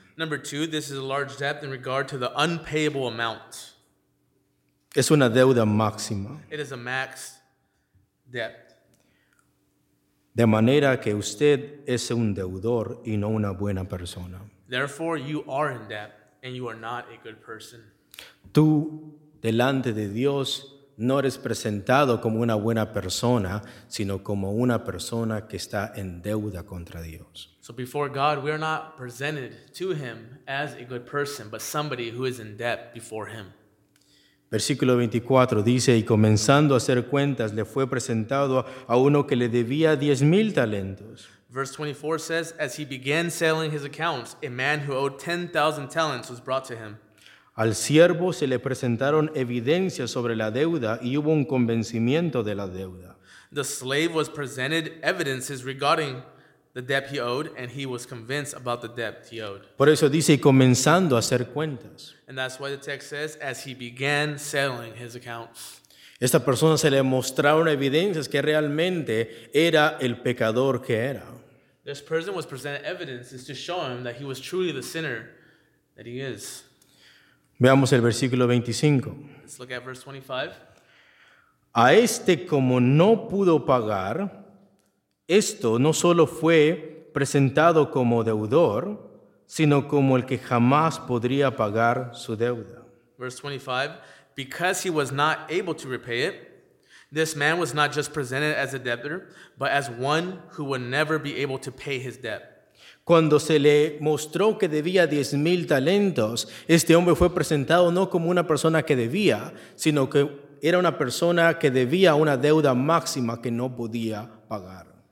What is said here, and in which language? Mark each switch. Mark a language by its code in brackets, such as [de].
[en] Number two, this is a large debt in regard to the unpayable amount. [es] Es una deuda máxima. [en] It is a max debt. [es] De manera que usted es un deudor y no una buena persona. [en] Therefore, you are in debt and you are not a good person. [es] Tú, delante de Dios, no eres presentado como una buena persona, sino como una persona que está en deuda contra Dios. [en] So before God, we are not presented to him as a good person, but somebody who is in debt before him. [es] Versículo 24 dice, y comenzando a hacer cuentas, le fue presentado a uno que le debía 10,000 talentos. [en] Verse 24 says, as he began settling his accounts, a man who owed 10,000 talents was brought to him. [es] Al siervo se le presentaron evidencias sobre la deuda y hubo un convencimiento de la deuda. [en] The slave was presented evidences regarding the debt he owed, and he was convinced about the debt he owed. [es] Por eso dice, y comenzando a hacer cuentas. [en] And that's why the text says, as he began settling his accounts. [es] Esta persona se le mostraron evidencias que realmente era el pecador que era. [en] This person was presented evidences to show him that he was truly the sinner that he is. [es] Veamos el versículo 25. [en] Let's look at verse 25. [es] A este, como no pudo pagar, esto no solo fue presentado como deudor, sino como el que jamás podría pagar su deuda. [en] Verse 25, because he was not able to repay it, this man was not just presented as a debtor, but as one who would never be able to pay his debt. [es] Cuando se le mostró que debía 10,000 talentos, este hombre fue presentado no como una persona que debía, sino que era una persona que debía una deuda máxima que no podía pagar.